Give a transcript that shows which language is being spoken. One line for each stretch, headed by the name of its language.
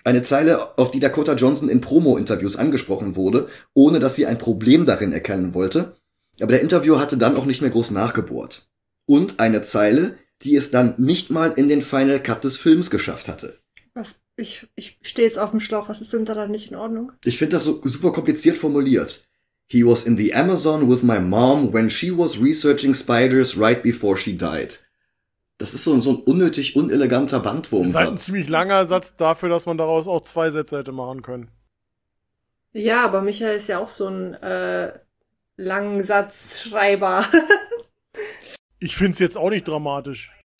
German: Eine Zeile, auf die Dakota Johnson in Promo-Interviews angesprochen wurde, ohne dass sie ein Problem darin erkennen wollte. Aber der Interviewer hatte dann auch nicht mehr groß nachgebohrt. Und eine Zeile, die es dann nicht mal in den Final Cut des Films geschafft hatte. Was Ich stehe jetzt auf dem Schlauch. Was ist denn daran nicht in Ordnung? Ich finde das so super kompliziert formuliert.
English: He was in the Amazon with my mom when she was researching spiders right before she died.
German: Das ist so ein unnötig uneleganter Bandwurm. Das ist halt ein ziemlich langer Satz dafür, dass man daraus auch zwei Sätze hätte machen können. Ja, aber Michael ist ja auch so ein langen Satzschreiber. Ich finde es jetzt auch nicht dramatisch.